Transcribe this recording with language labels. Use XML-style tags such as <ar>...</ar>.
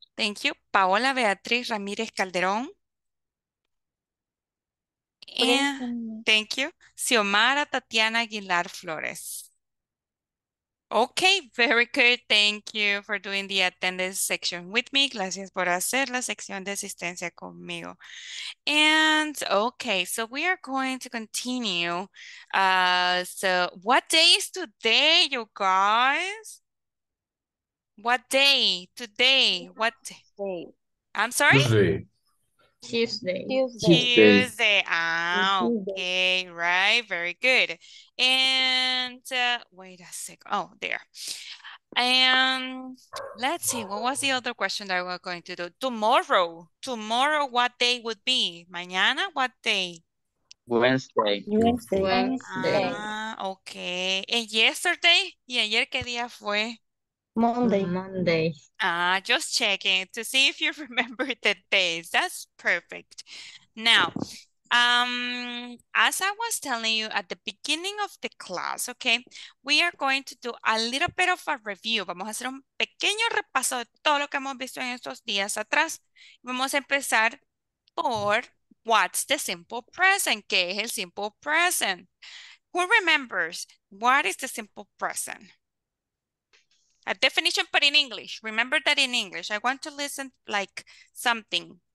<en>Thank you. Paola Beatriz Ramírez Calderón. Present. And, thank you. Xiomara Tatiana Aguilar Flores. Okay, very good. Thank you for doing the attendance section with me.</en> <es>Gracias por hacer la sección de asistencia conmigo.</es> <en>And okay, so we are going to continue. So what day is today, you guys? What day? Today. What day? I'm sorry? Tuesday. Ah, okay, right, very good. And wait a sec. Oh, there. And let's see, what was the other question that we're going to do? Tomorrow, what day would be? Mañana, what day? Wednesday. Ah, okay. And yesterday?</en> <es>¿Y ayer qué día fue?</es> <en>Monday. Ah, just checking to see if you remember the days. That's perfect. Now, as I was telling you at the beginning of the class, okay, we are going to do a little bit of a review.</en> <es>Vamos a hacer un pequeño repaso de todo lo que hemos visto en estos días atrás. Vamos a empezar por</es> <en>what's the simple present.</en> <es>¿Qué es el simple present?</es> <en>Who remembers what is the simple present? A definition, but in English. Remember that in English. I want to listen like something.</en>